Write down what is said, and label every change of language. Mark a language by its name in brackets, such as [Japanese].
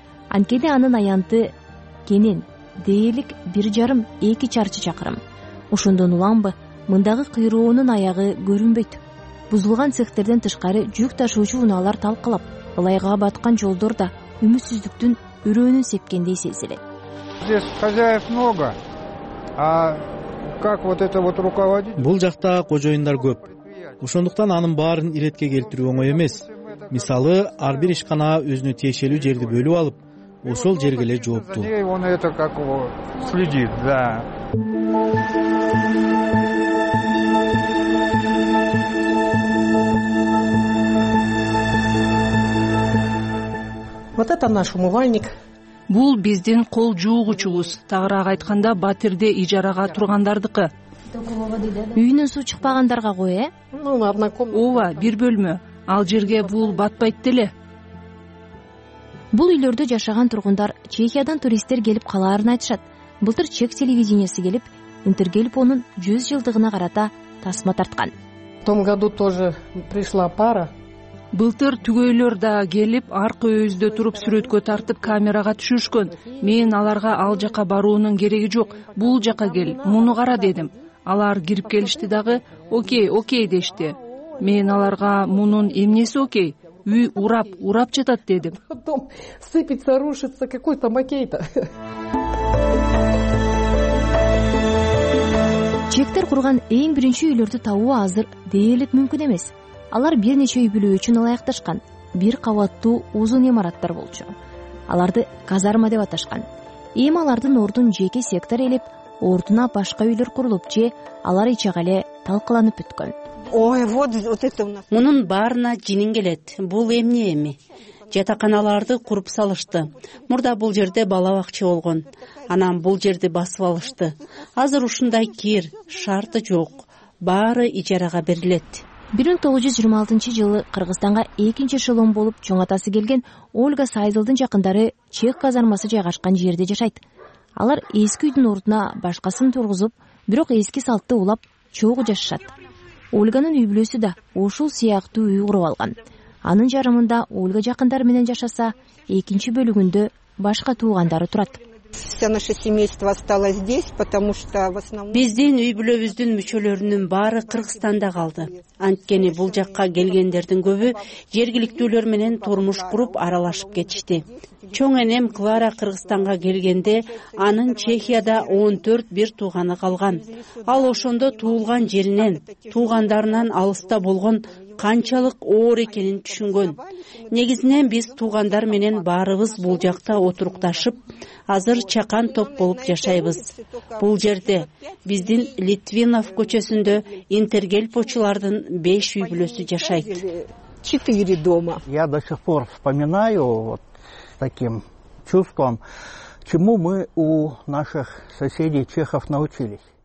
[Kyrgyz] Анткени анын аянты кенен, дээлик 1,5-2 чарчы чакырым. Ошондон уламбы мындагы кыйроонун аягы көрүнбөйт. Бузулган цехтерден тышкары жүк ташуучу унаалар талкалап, ылайга баткан жолдор да үмүтсүздүктүн өрөөнүн сепкендей сезилет. [Russian] Здесь хозяев много. А как вот это вот руководить? [Kyrgyz] Бул жакта кожоюндар көп. Ошондуктан анын баарын иретке келтирүү оңой эмес. Мисалы, ар бир ишкана өзүнө тиешелүү жерди бөлүп алып, ошол жерге эле жооптуу. [Russian] Вот это наш умывальник. [Kyrgyz] Бул биздин кол жуугучубуз. Тагыраак айтканда, батирде ижарага тургандардыкы. Үйүнөн суу чыкпагандарга кой, э? Ооба, бир бөлмө. Ал жерге бул батпайт деле. Бул үйлөрдө жашаган тургундар Чехиядан туристтер келип калаарын айтышат. Былтыр чек телевидениеси келип, Интергельпонун 100 жылдыгына карата тасма тарткан. [Russian] В том году тоже пришла пара. [Kyrgyz] Былтыр түгөйлөр да келип, аркы өйүздө туруп сүрөткө тартып камерага түшүшкөн. Мен аларга ал жака баруунун кереги жок. Бул жака кел, муну кара дедим. Алар кирип келишти дагы, окей, окей дешти. Мен аларга мунун эмнеси окей? Үй урап, урап жатат дедим. [Russian] Потом сыпется, рушится, какой там окей-то. [Kyrgyz] Чектер курган эң биринчи үйлөрдү табуу азыр дээлик мүмкүн эмес. Алар бир нече үй бүлө үчүн ылайыкташкан. Бир кабаттуу узун имараттар болчу. Аларды казарма деп аташкан. Эми алардын ордун жеке сектор ээлеп, ордуна башка үйлөр курулуп же алар ичага эле талкаланып бүткөн. [Russian] Ой, вот это у нас. [Kyrgyz] Мунун баарына жинин келет. Бул эмне эми? Жатаканаларды куруп салышты. Мурда бул жерде бала бакча болгон. Анан бул жерди басып алышты. Азыр ушундай кир шарты жок. Баары ижарага берилет. 1926 жылы Кыргызстанга экинчи эшелон болуп чоң атасы келген Ольга Сайзылдын жакындары чех казармасы жайгашкан жерде жашайт. Алар эски үйдүн ордуна башкасын тургузуп, бирок эски салтты улап чогуу жашашат. Ольганын үй бүлөсү да ушул сыяктуу үй куруп алган. Анын жарымында Ольга жакындары менен жашаса, экинчи бөлүгүндө башка туугандары турат. [Russian] Вся наше семейство осталось здесь, потому что в основном [Kyrgyz] биздин үй бүлөбүздүн мүчөлөрүнүн баары Кыргызстанда калды. Анткени бул жакка келгендердин көбү жергиликтүүлөр менен турмуш куруп аралашып кетишти. Чоң энем Клара Кыргызстанга келгенде анын Чехияда 14 бир тууганы калган. Ал ошондо туулган жеринен, туугандарынан алыста болгон канчалык оор экенин түшүнгөн. Негизинен биз туугандар менен баарыбыз бул жакта отурукташып, азыр чакан топ болуп жашайбыз. Бул жерде биздин Литвинов көчөсүндө Интергельпочулардын 5 үй бүлөсү жашайт. [Russian] 4 дома. Я до сих пор вспоминаю вот с таким чувством, чему мы у наших соседей чехов научились.